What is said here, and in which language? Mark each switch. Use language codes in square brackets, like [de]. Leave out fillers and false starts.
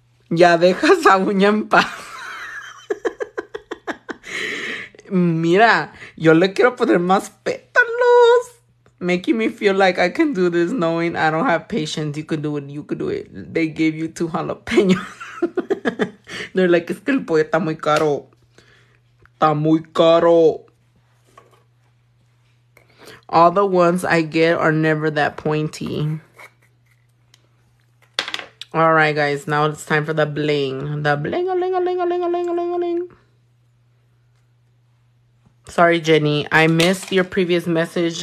[es] Ya deja esa uña en paz. Mira, yo le quiero poner más pétalos. [en] Making me feel like I can do this knowing I don't have patience. You could do it. You could do it. They gave you 2 jalapenos. They're like, [es] es que el pollo está muy caro. Está muy caro. [en] All the ones I get are never that pointy. All right, guys. Now it's time for the bling. The bling-a-ling-a-ling-a-ling-a-ling-a-ling-a-ling. Sorry, Jenny. I missed your previous message.